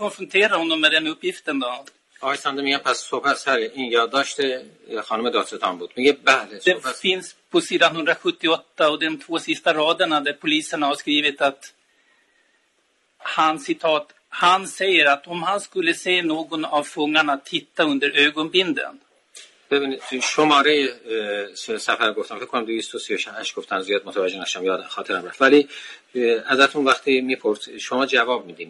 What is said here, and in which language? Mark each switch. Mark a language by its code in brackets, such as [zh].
[fa] آقای ساندر میگن آقای ساندر آقای سنده میگه پس صحبت سر این یادداشت خانم دادستان بود. میگه بله. [sv] Det finns på sidan 178 och de två sista raderna där polisen har skrivit att han, citat, han säger att om han skulle se någon av fångarna titta under ögonbinden. [fa] ببینید شماره سفر گفتم فکر کنم 238 گفتن، زیاد متوجه نشدم یاد خاطرم رفت، ولی ازتون وقتی میپرس شما جواب میدین.